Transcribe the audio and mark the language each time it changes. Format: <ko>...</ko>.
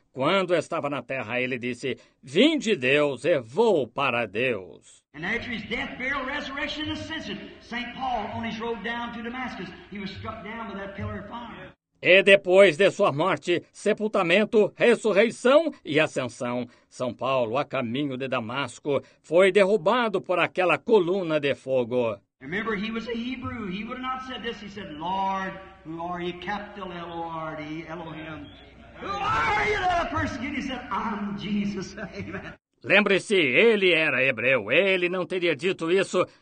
<pt>Quando estava na terra, ele disse, Vim de Deus e vou para Deus.</pt> <en>And after his death, burial, resurrection, ascension, St. Paul, on his road down to Damascus, he was struck down by that pillar of fire.</en> <pt>E depois de sua morte, sepultamento, ressurreição e ascensão, São Paulo, a caminho de Damasco, foi derrubado por aquela coluna de fogo.</pt> <en>Remember, he was a Hebrew. He would have not said this. He said, Lord, who are you? Capital L-O-R-D, Elohim. Who are you that persecute? He said, I'm Jesus. Amen.</en> <pt>Lembre-se, ele era hebreu. Ele não teria dito isso.</pt>